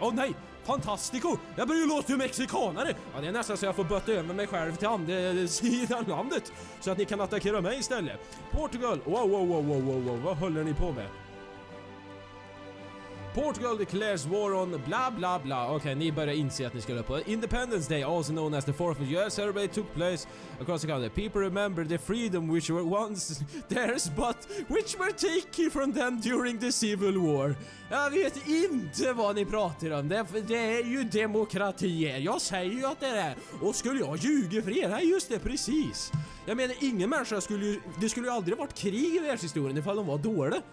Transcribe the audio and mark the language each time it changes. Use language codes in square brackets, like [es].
[sv] Åh nej, fantastico! Jag börjar ju låta ju mexikanare! Ja, det är nästan så jag får böta över mig själv till andra sidan landet. Så att ni kan attackera mig istället. Portugal, wow, vad håller ni på med? [en] Portugal declares war on bla bla [sv] bla. Okej, ni börjar inse att ni ska löpa. [en] Independence Day, also known as the 4th of US, ceremony took place across the country. People remember the freedom which were once theirs, but which were taken from them during the Civil War. [sv] Jag vet inte vad ni pratar om. Det är ju demokrati. Jag säger ju att det är. Och skulle jag ljuga för er? Nej, just det, precis. Jag menar, ingen människa skulle ju... Det skulle ju aldrig varit krig i världshistorien ifall de var dåliga.